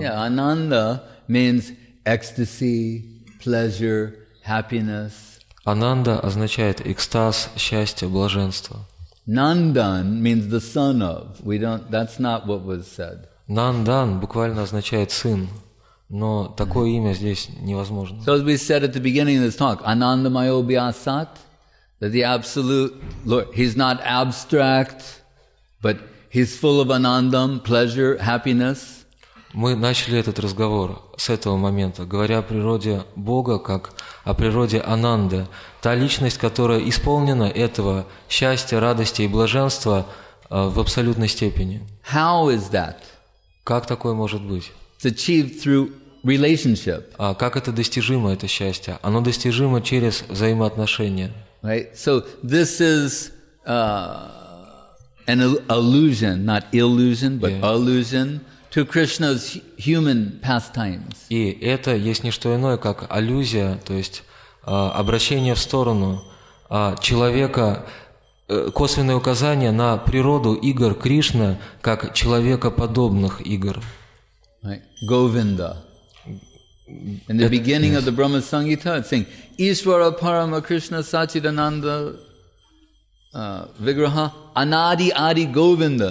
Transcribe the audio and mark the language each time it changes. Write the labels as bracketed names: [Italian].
[English] Yeah, Ananda means ecstasy, pleasure, happiness. [Russian] Ананда означает экстаз, счастье, блаженство. [English] Nandan means the son of. We don't, that's not what was said. [Russian] Nandan буквально означает сын. Но такое имя здесь невозможно. [English] So as we said at the beginning of this talk, [Sanskrit] Anandamayo Vyasat, [English] that the Absolute Lord, He's not abstract, but He's full of Anandam, pleasure, happiness. [Russian] Мы начали этот разговор с этого момента, говоря о природе Бога, как о природе Ананды. Та личность, которая исполнена этого счастья, радости и блаженства в абсолютной степени. [English] How is that? [Russian] Как такое может быть? [English] It's achieved through relationship. [Russian] А как это достижимо, это счастье? Оно достижимо через взаимоотношения. [English] Right? So this is an allusion, not illusion, but allusion to Krishna's human pastimes. [Russian] И это есть не что иное, как аллюзия, то есть обращение в сторону человека, косвенное указание на природу игр Кришны как человекоподобных игр. Говинда. [English] In the beginning of the Brahma Sangita, it's saying [Sanskrit] Ishvara Parama Krishna Satchidananda Vigraha Anadi Adi Govinda.